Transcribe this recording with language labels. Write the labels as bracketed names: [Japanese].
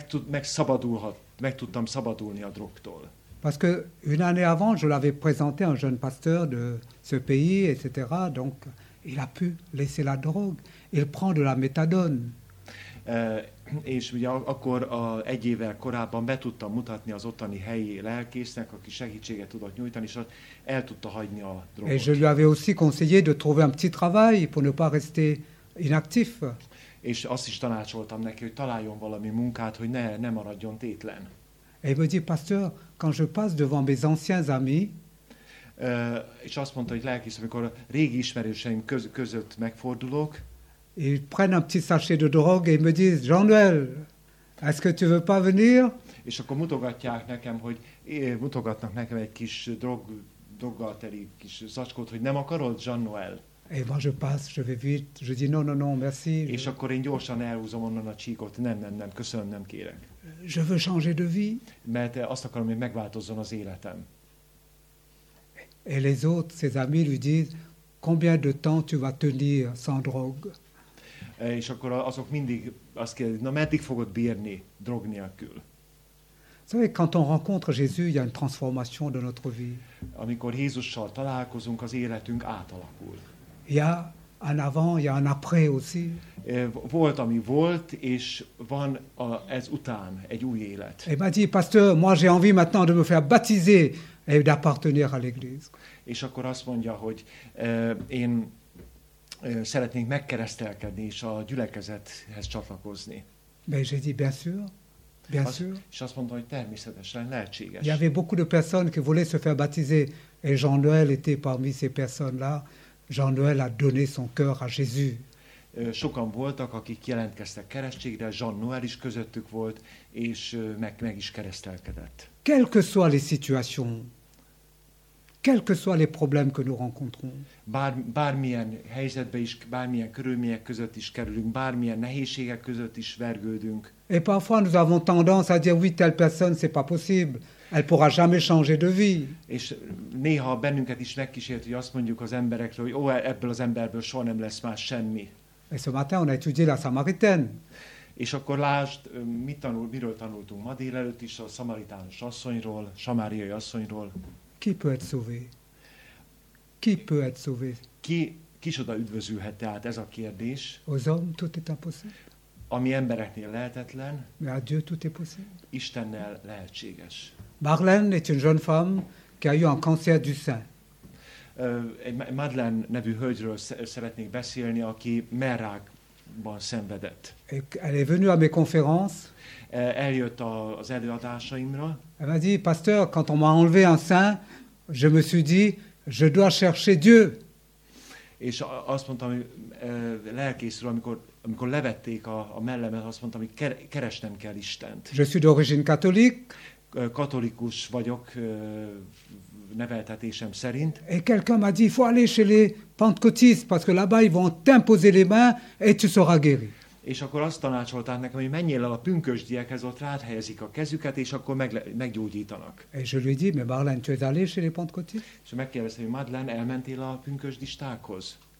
[Hungarian] Megszabadulhat. Meg tudtam szabadulni a drogtól. [French] Parce que une année avant, je l'avais présenté à un jeune pasteur de ce pays, etc. Donc, il a pu laisser la drogue. Il prend de la méthadone. [Hungarian] És ugye akkor egy évvel korábban be tudtam mutatni az ottani helyi lelkésznek, aki segítséget tudott nyújtani, és el tudta hagyni a drogot. [French] Et je lui avais aussi conseillé de trouver un petit travail pour ne pas rester inactif. [Hungarian] És azt is tanácsoltam neki, hogy találjon valami munkát, hogy ne maradjon tétlen. [French] Et il me dit, pasteur, quand je passe devant mes anciens amis, [Hungarian] és azt mondta, hogy lelkész, amikor régi ismerőseim között megfordulok, [French] ils prennent un petit sachet de drogue et me disent, Jean-Noël, est-ce que tu veux pas venir? [Hungarian] És akkor mutogatják nekem, hogy mutogatnak nekem egy kis droggal teli kis zacskót, hogy nem akarod, Jean-Noël? [French] Et moi je passe, je vais vite, je dis non, non, non, merci. [Hungarian] És akkor én gyorsan elhúzom onnan a csíkot, nem, köszönöm, nem kérek. [French] Je veux changer de vie. [Hungarian] Mert azt akarom, hogy megváltozzon az életem. [French] Et les autres, ses amis lui disent, combien de temps tu vas tenir sans drogue? [Hungarian] És akkor azok mindig azt kérdezik, na meddig fogod bírni drog nélkül? [French] Szóval, quand on rencontre Jésus, il y a une transformation de notre vie. [Hungarian] Amikor Jézussal találkozunk, az életünk átalakul. [French] Il y a un avant, il y a un après aussi. [Hungarian] Volt, ami volt, és van ez után egy új élet. [French] Et m'a dit, pasteur, moi j'ai envie maintenant de me faire baptiser et d'appartenir à l'église. [Hungarian] És akkor azt mondja, hogy én szeretnénk megkeresztelkedni és a gyülekezethez csatlakozni. [French] Mais j'ai dit, bien sûr, bien sûr. [Hungarian] És azt mondta, hogy természetesen, lehetséges. [French] Il y avait beaucoup de personnes qui voulaient se faire baptiser et Jean-Noël était parmi ces personnes-là. Jean-Noël a donné son cœur à Jésus. [Hungarian] Sokan voltak, akik jelentkeztek keresztségre, Jean-Noël is közöttük volt, és meg is keresztelkedett. [French] Quelles que soient les situations, quels que soient les problèmes que nous rencontrons. [Hungarian] Bármilyen helyzetbe is, bármilyen körülmények között is kerülünk, bármilyen nehézségek között is vergődünk. [French] Et parfois nous avons tendance à dire oui, telle personne, c'est pas possible. Elle pourra jamais changer de vie. [Hungarian] És néha bennünket is megkísért, hogy azt mondjuk az emberekről, hogy ebből az emberből soha nem lesz már semmi. [French] Et ce matin on a étudié la Samaritaine. [Hungarian] És akkor lásd, miről tanultunk ma délelőtt is a szamaritánus asszonyról, samáriai asszonyról. [French] Qui peut être sauvé? Qui peut être sauvé? [Hungarian] Kisoda üdvözülhet, tehát ez a kérdés. [French] Aux hommes, tout est impossible. [Hungarian] Ami embereknél lehetetlen. [French] Mais à Dieu, tout est possible. [Hungarian] Istennel lehetséges. [French] Marlène est une jeune femme qui a eu un cancer du sein. [Hungarian] Madeleine nevű hölgyről szeretnék beszélni, aki mellrákban szenvedett. [French] Elle est venue à mes conférences. [Hungarian] Eljött az előadásaimra. [French] Elle m'a dit, pasteur, quand on m'a enlevé un sein, je me suis dit, je dois chercher Dieu. [Hungarian] És azt mondtam, lelkészről, amikor levették a mellemet, azt mondtam, hogy keresnem kell Istent. [French] Je suis d'origine catholique. [Hungarian] Katolikus vagyok neveltetésem szerint. [French] Et quelqu'un m'a dit, il faut aller chez les pentecôtistes, parce que là-bas ils vont t'imposer les mains et tu seras guéri. [Hungarian] És akkor azt tanácsolták nekem, hogy menjél el a pünkösdiekhez, ott rád helyezik a kezüket, és akkor meggyógyítanak. [French] Et je lui dis, mais Marlène, tu es allé chez les pentecôtistes? [Hungarian] És megkérdeztem, hogy Madeleine, elmentél a pünkösdistákhoz?